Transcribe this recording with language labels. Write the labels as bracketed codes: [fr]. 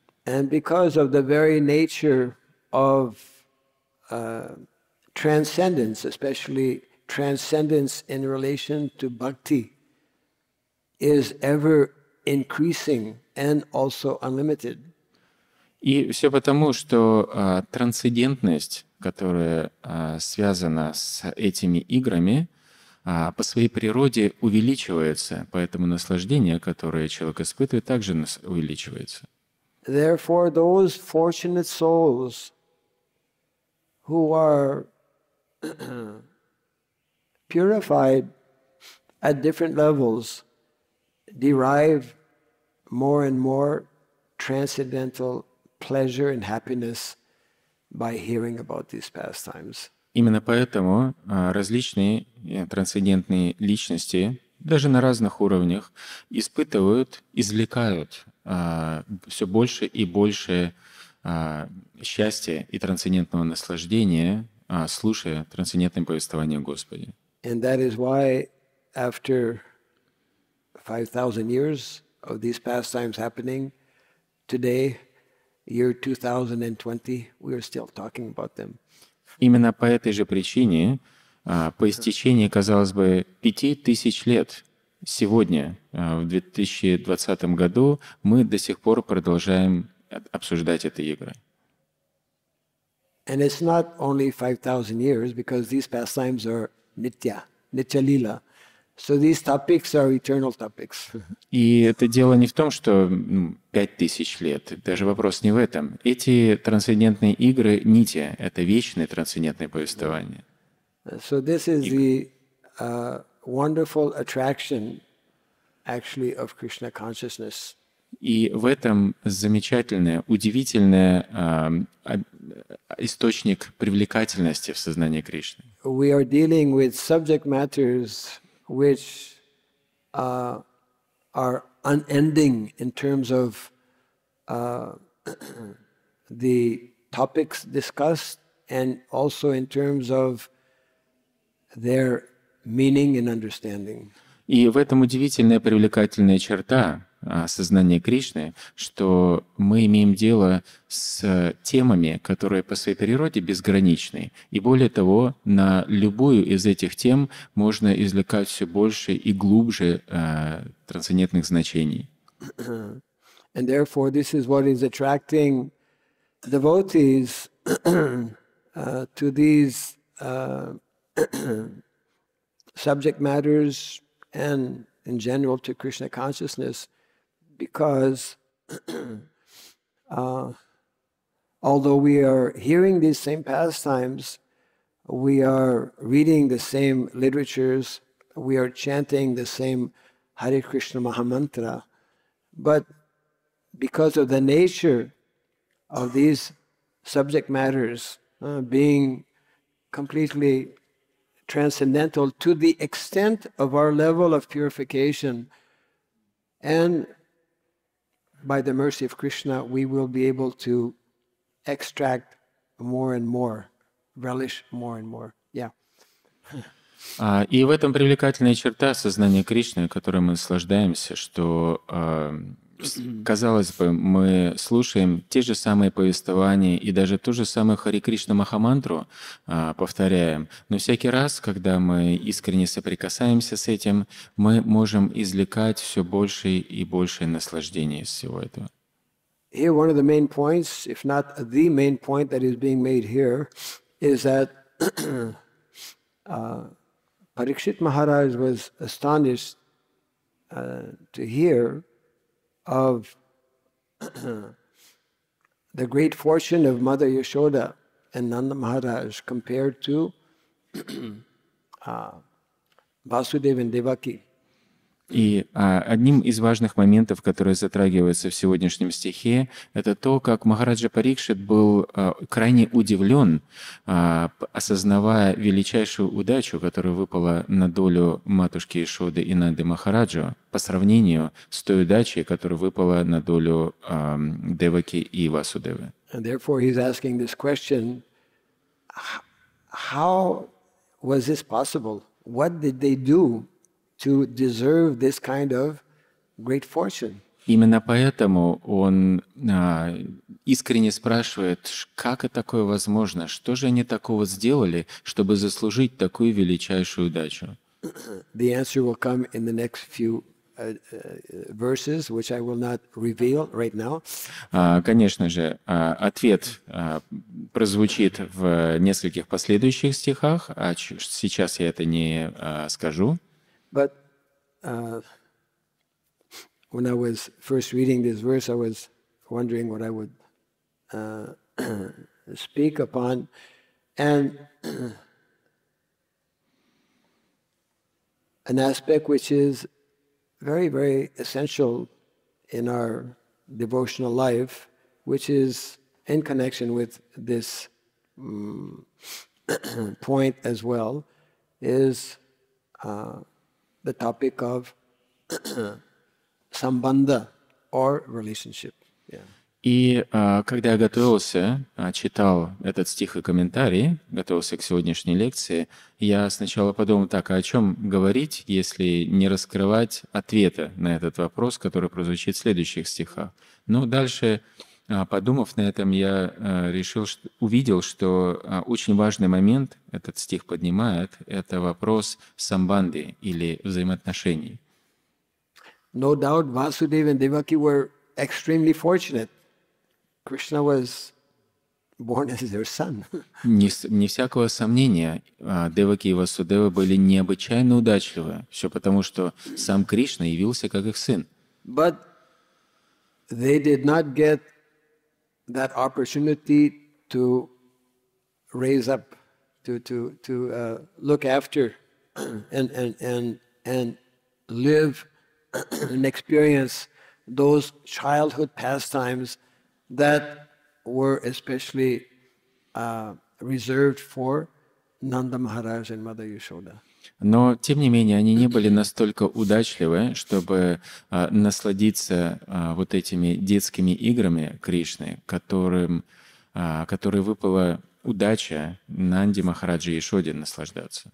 [en] And because of the very nature of transcendence, especially transcendence in relation to bhakti, is ever increasing and also unlimited. [ru] И все потому, что трансцендентность, которая связана с этими играми, по своей природе увеличивается, поэтому наслаждение, которое человек испытывает, также увеличивается. [en] Therefore, those fortunate souls who are purified at different levels derive more and more transcendental pleasure and happiness by hearing about these pastimes. [ru] Именно поэтому различные трансцендентные личности, даже на разных уровнях, испытывают, извлекают все больше и больше счастья и трансцендентного наслаждения, слушая трансцендентное повествование Господи. [en] And that is why after 5,000 years of these pastimes happening today, year 2020, we are still talking about them. [ru] Именно по этой же причине, по истечении, казалось бы, 5000 лет, сегодня, в 2020 году, мы до сих пор продолжаем обсуждать эти игры. [en] And it's not only 5,000 years, because these pastimes are nitya, nitya-lila. So these topics are eternal topics. [ru] И это дело не в том, что 5000 лет. Даже вопрос не в этом. Эти трансцендентные игры, нити, это вечное трансцендентное повествование. [en] So this is the wonderful attraction, actually, of Krishna consciousness. [ru] И в этом замечательное, удивительное источник привлекательности в сознании Кришны. [en] We are dealing with subject matters which are unending in terms of the topics discussed and also in terms of their meaning and understanding. [ru] И в этом удивительная привлекательная черта сознания Кришны, что мы имеем дело с темами, которые по своей природе безграничны. И более того, на любую из этих тем можно извлекать все больше и глубже трансцендентных значений. [en] And therefore, this is what is attracting devotees to these subject matters and in general to Krishna consciousness. Because although we are hearing these same pastimes, we are reading the same literatures, we are chanting the same Hare Krishna Mahamantra, but because of the nature of these subject matters being completely transcendental to the extent of our level of purification, and by the mercy of Krishna, we will be able to extract more and more, relish more and more. [ru] И в этом привлекательная черта сознания Кришны, которой мы наслаждаемся, что, казалось бы, мы слушаем те же самые повествования и даже ту же самую Хари Кришна Махамантру повторяем. Но всякий раз, когда мы искренне соприкасаемся с этим, мы можем извлекать все больше и больше наслаждения из всего этого. [en] Here one of the main points, if not the main point that is being made here, is that Parikshit Maharaj was astonished to hear of the great fortune of Mother Yashoda and Nanda Maharaj compared to Vasudev and Devaki. [ru] И одним из важных моментов, которые затрагиваются в сегодняшнем стихе, это то, как Махараджа Парикшит был крайне удивлен, осознавая величайшую удачу, которая выпала на долю матушки Ишоды и Нанды Махараджа по сравнению с той удачей, которая выпала на долю Деваки и Васудевы. [en] And therefore he's asking this question, how was this possible? What did they do to deserve this kind of great fortune? [ru] Именно поэтому он искренне спрашивает, как это такое возможно? Что же они такого сделали, чтобы заслужить такую величайшую удачу? [en] The answer will come in the next few verses, which I will not reveal right now. [ru] Конечно же, ответ прозвучит в нескольких последующих стихах, а сейчас я это не скажу. [en] But when I was first reading this verse, I was wondering what I would speak upon, and an aspect which is very, very essential in our devotional life, which is in connection with this point as well, is the topic of sambandha or relationship. [ru] И когда я готовился, читал этот стих и комментарий, готовился к сегодняшней лекции, я сначала подумал так, а о чем говорить, если не раскрывать ответа на этот вопрос, который прозвучит в следующих стихах. Но дальше, подумав на этом, я решил, увидел, что очень важный момент этот стих поднимает, это вопрос самбанды или взаимоотношений. [en] No doubt, Vasudeva and Devaki were extremely fortunate. Krishna was born as their son. [ru] Не всякого сомнения, Деваки и Васудева были необычайно удачливы, все потому, что сам Кришна явился как их сын. [en] But they did not get that opportunity to raise up, to look after and live and experience those childhood pastimes that were especially reserved for Nanda Maharaj and Mother Yashoda. [ru] Но тем не менее они не были настолько удачливы, чтобы насладиться вот этими детскими играми Кришны, которой выпала удача Нанде Махараджи и Ешоде наслаждаться.